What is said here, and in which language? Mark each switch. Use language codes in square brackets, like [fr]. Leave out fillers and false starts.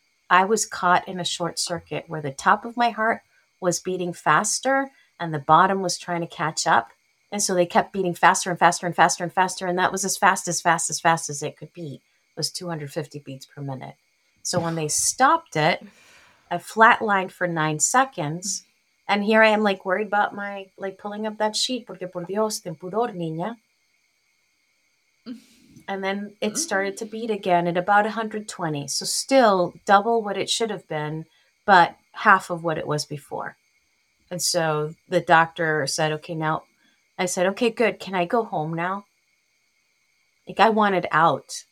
[en] I was caught in a short circuit where the top of my heart was beating faster and the bottom was trying to catch up. And so they kept beating faster and faster and faster and faster. And that was as fast as it could beat. It was 250 beats per minute. So when they stopped it, I flatlined for 9 seconds. And here I am like worried about my, like pulling up that sheet. [es] Porque por Dios, ten pudor, niña. [en] And then it started to beat again at about 120. So still double what it should have been, but half of what it was before. And so the doctor said, okay, now I said, okay, good. Can I go home now? Like I wanted out.